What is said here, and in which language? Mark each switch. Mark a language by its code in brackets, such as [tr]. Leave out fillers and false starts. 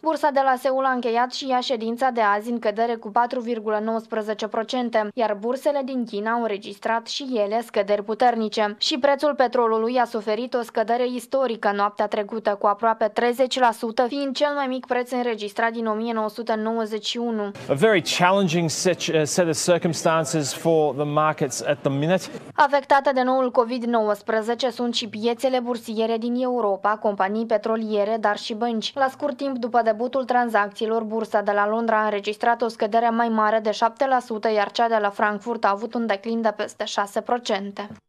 [ro] Bursa de la Seul a încheiat și ea ședința de azi în cădere cu 4,19%, iar bursele din China au înregistrat și ele scăderi puternice. Și prețul petrolului a suferit o scădere istorică noaptea trecută, cu aproape 30%, fiind cel mai mic preț înregistrat din 1991. [en] A very challenging set of circumstances for the markets at the minute. [ro] Afectate de noul COVID-19 sunt și piețele bursiere din Europa, companii petroliere, dar și bănci. La scurt timp după debutul tranzacțiilor, bursa de la Londra a înregistrat o scădere mai mare de 7%, iar cea de la Frankfurt a avut un declin de peste 6%.